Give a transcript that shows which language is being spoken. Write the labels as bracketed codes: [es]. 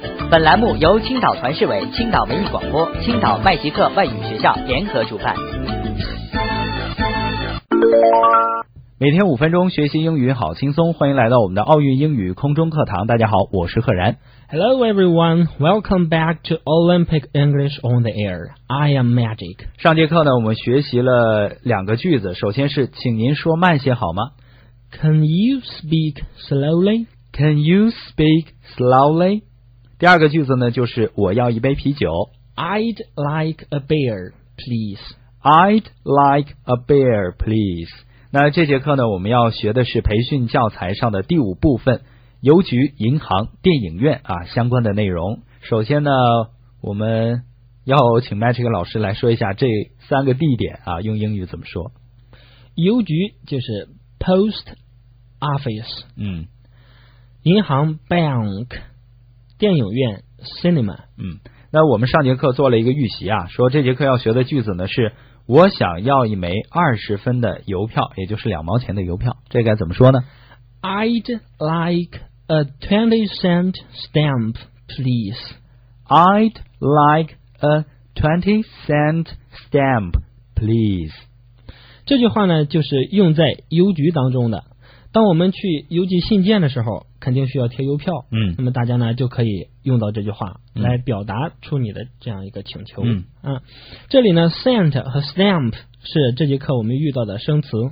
[zh] 本栏目由青岛团市委、青岛文艺广播、青岛麦吉克外语学校联合主办。每天五分钟学习英语好轻松，欢迎来到我们的奥运英语空中课堂。大家好，我是赫然。 [en] Hello everyone, welcome back to Olympic English on the air. I am Magic. [zh] 上节课呢，我们学习了两个句子，首先是请您说慢些好吗？ [en] Can you speak slowly? Can you speak slowly? [zh] 第二个句子呢，就是我要一杯啤酒。 [en] I'd like a beer, please. I'd like a beer, please. [zh] 那这节课呢，我们要学的是培训教材上的第五部分，邮局、银行、电影院啊相关的内容。首先呢，我们要请 Magic 老师来说一下这三个地点啊，用英语怎么说？邮局就是 post office，嗯，银行 bank， 电影院 cinema，嗯。那我们上节课做了一个预习啊，说这节课要学的句子呢是。我想要一枚20分的邮票，也就是2毛钱的邮票，这该怎么说呢 [en] ？I'd like a 20-cent stamp, please. I'd like a 20-cent stamp, please. [zh] 这句话呢，就是用在邮局当中的。当我们去邮寄信件的时候，肯定需要贴邮票。嗯，那么大家呢就可以用到这句话来表达出你的这样一个请求。嗯，啊，这里呢 ，sent 和 stamp 是这节课我们遇到的生词。